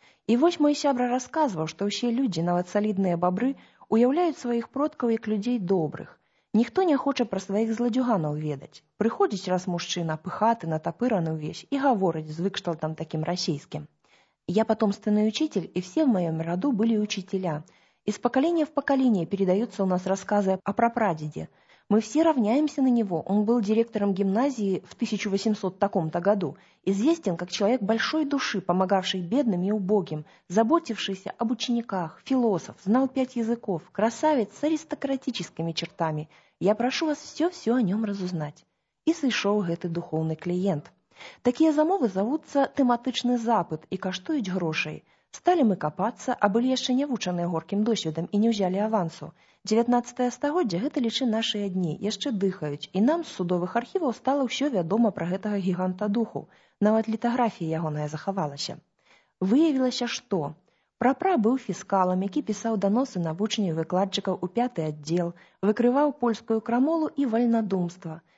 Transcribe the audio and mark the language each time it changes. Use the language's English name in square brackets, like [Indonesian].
[Belarusian] І вось мой сябра расказваў, што ўсе людзі, нават салідныя бабры, уяўляюць сваіх продкаў як людзей добрых. Ніхто не хоча пра сваіх зладзюганаў ведаць. Прыходзіць раз мужчына, пыхаты, натапыраны ўвесь, і гаворыць з выкшталтам такім расійскім. [Russian] Я патомственны ўчыцель, і все в маём раду былі ўчыцеля. Из поколения в поколение передаются у нас рассказы о прапрадеде. Мы все равняемся на него. Он был директором гимназии в 1800 таком-то году. Известен как человек большой души, помогавший бедным и убогим, заботившийся об учениках, философ, знал 5 языков, красавец с аристократическими чертами. Я прошу вас все-все о нем разузнать. [Belarusian] И сышел гэты [Russian] духовный клиент. [Belarusian] Такие замовы зовутся тематичный запыт и каштуюць грошей. Сталі мы капацца, а былі яшчэ не вучаныя горкім досведам і не ўзялі авансу. 19-е стагоддзе гэта лічы нашыя дні, яшчэ дыхаюць, і нам з судовых архіваў стала ўсё вядома пра гэтага гіганта духу. Нават літаграфія ягоная захавалася. Выявілася, што прапра быў фіскалам, які пісаў даносы на вучняў і выкладчыкаў у 5-ы аддзел, выкрываў польскую крамолу і вальнадумства.